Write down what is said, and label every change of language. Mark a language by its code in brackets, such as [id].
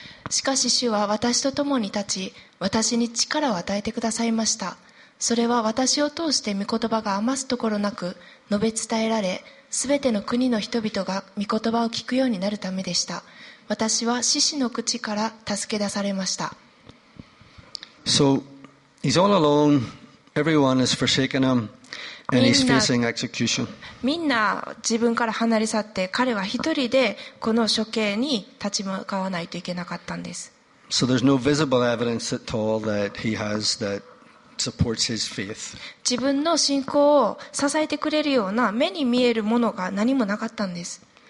[ja] しかし主は私と共に立ち、私に力を与えてくださいました。それは私を通して御言葉が余すところなく述べ伝えられ、すべての国の人々が御言葉を聞くようになるためでした。私は獅子の口から助け出されました。 [en] So he's all alone. Everyone has forsaken him, and he's facing execution. [ja] みんな自分から離れ去って、彼は一人でこの処刑に立ち向かわないといけなかったんです。 [en] So there's no visible evidence at all that he has that supports his faith. [ja] 自分の信仰を支えてくれるような目に見えるものが何もなかったんです。